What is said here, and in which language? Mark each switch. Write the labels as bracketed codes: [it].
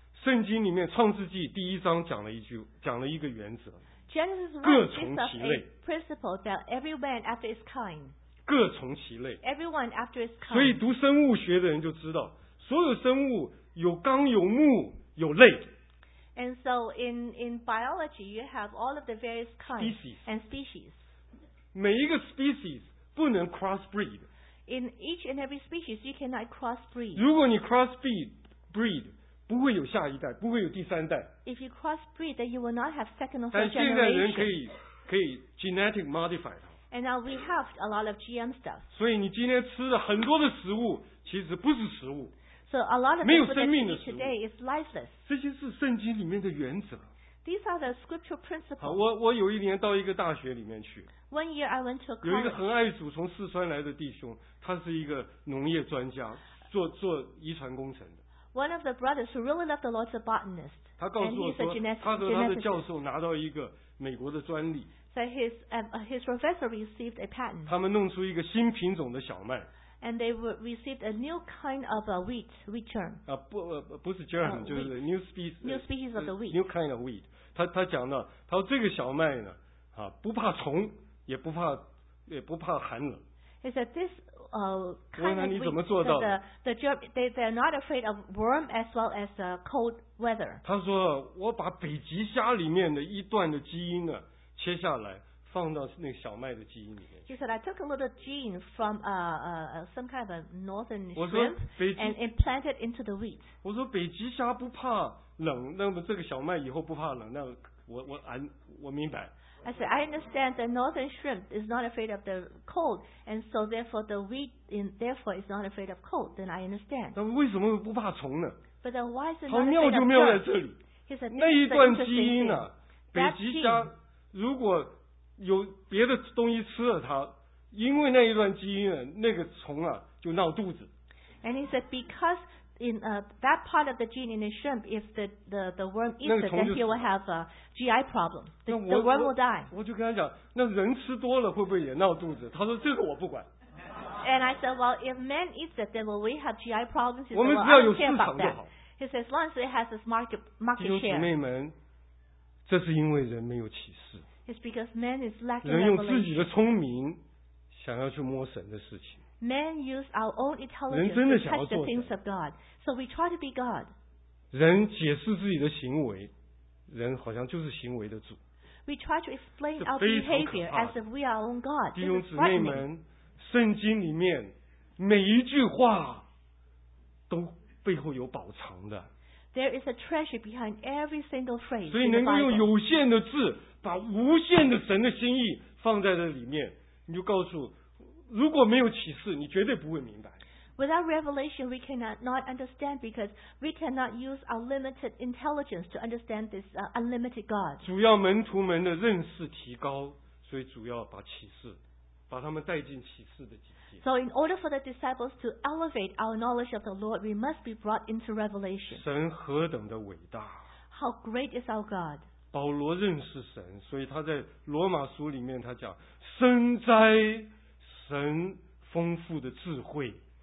[zh] 圣经里面创世纪第一章讲了一句，讲了一个原则。 [en] Genesis 1 [zh] 各从其类。 [en] A principle that every man after his kind. [zh] 各从其类。 [en] Everyone after his kind. [zh] 所以读生物学的人就知道，所有生物有纲有目有类。 [en] And so in biology, you have all of the various kinds species. And species. [zh] 每一个 species 不能 crossbreed. [en] In each and every species, you cannot crossbreed. [zh] 如果你 crossbreed, 不会有下一代，不会有第三代。 [en] If you crossbreed, then you will not have second or third generation. [zh] 但现在人可以 [en] genetic modify. And now we have a lot of GM stuff. [zh] 所以你今天吃的很多的食物其实不是食物。 [en] So a lot of the food that we eat today is lifeless. [zh] 这些是圣经里面的原则。 [en] These are the scriptural principles. [zh] 好，我有一年到一个大学里面去。 [en] One year I went to a college. [zh] 有一个很爱主从四川来的弟兄，他是一个农业专家，做遗传工程的。 [en] One of the brothers who really loved the Lord is a botanist. [zh] 他告诉我说，他和他的教授拿到一个美国的专利。 [en] That his professor received a patent. [zh] 他们弄出一个新品种的小麦。 [en] And they received a new kind of a wheat germ. [zh] 不是 germ, 就是 [en] new species. New species of the wheat. New kind of wheat. [zh] 他讲到，他说这个小麦呢，不怕虫，也不怕寒冷。 [en] He said this kind of wheat. The germ, they're not afraid of worm as well as cold weather. [zh] 他说我把北极虾里面的一段的基因呢。切下来放到那个小麦的基因里面。 [en] He said, I took a little gene from some kind of a northern shrimp and implanted into the wheat. 我说北极虾不怕冷，那么这个小麦以后不怕冷，那我明白。 I said, I understand the northern shrimp is not afraid of the cold, and so therefore the wheat therefore is not afraid of cold. Then I understand. [zh] 那为什么不怕虫呢？ [en] But then why is it not afraid of cold? [zh] 好妙就妙在这里。 [en] He said, [zh] 那一段基因呢，北极虾。如果有别的东西吃了它，因为那一段基因呢，那个虫啊就闹肚子。 [en] And he said because in that part of the gene in the shrimp, if the worm eats it, then he will have a GI problem. The worm will die. [zh] 我就跟他讲，那人吃多了会不会也闹肚子？他说这个我不管。 [en] And I said, well, if man eats it, then will we have GI problems? [zh] 我们只要有市场就好。 [en] He said as long as it has its market share. [zh] 弟兄姊妹们。这是因为人没有启示。 [en] It's because man is lacking revelation. [zh] 人用自己的聪明想要去摸神的事情。 [en] Man use our own intelligence to touch the things of God. So we try to be God. [zh] 人解释自己的行为，人好像就是行为的主。 [en] We try to explain our behavior as if we are our own God. [zh] 弟兄姊妹们，圣经里面每一句话都背后有宝藏的。 [en] There is a treasure behind every single phrase. [zh] 所以能够用有限的字把无限的神的心意放在这里面，你就告诉，如果没有启示，你绝对不会明白。 [en] Without revelation, we cannot not understand because we cannot use our limited intelligence to understand this unlimited God. [zh] 主要门徒们的认识提高，所以主要把启示，把他们带进启示的境界。 [en] So in order for the disciples to elevate our knowledge of the Lord, we must be brought into revelation. [zh] 神何等的伟大！ [en] How great is our God? [zh] 保罗认识神，所以他在罗马书里面他讲，深哉神丰富的智慧。